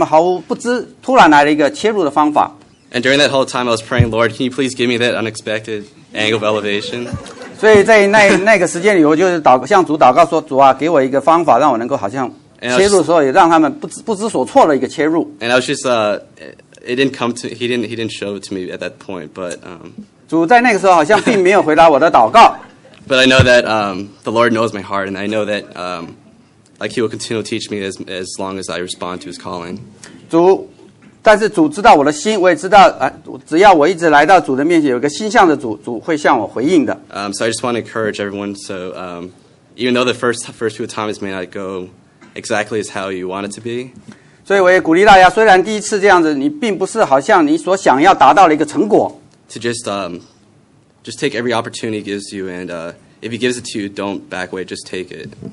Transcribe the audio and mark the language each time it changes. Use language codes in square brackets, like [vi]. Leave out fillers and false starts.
[zh] 切入的时候，一个好像让他们毫无不知，突然来了一个切入的方法。 [en] And during that whole time, I was praying, Lord, can you please give me that unexpected angle of elevation? [zh] 所以在那个时间里，我就是祷，向主祷告说，主啊，给我一个方法，让我能够好像切入的时候，也让他们不知所措的一个切入。 [en] And I was just, he didn't show it to me at that point, but [zh] 主在那个时候好像并没有回答我的祷告。 [en] But I know that the Lord knows my heart, and I know that like He will continue to teach me as long as I respond to His calling. [zh] 主，但是主知道我的心，我也知道，只要我一直来到主的面前，有个心向着主，主会向我回应的。 [en] So I just want to encourage everyone. So even though the first few times may not go exactly as how you want it to be. [zh] 所以我也鼓励大家，虽然第一次这样子，你并不是好像你所想要达到的一个成果。 [en] To just take every opportunity gives you and. If he gives it to you, don't back away, just take it.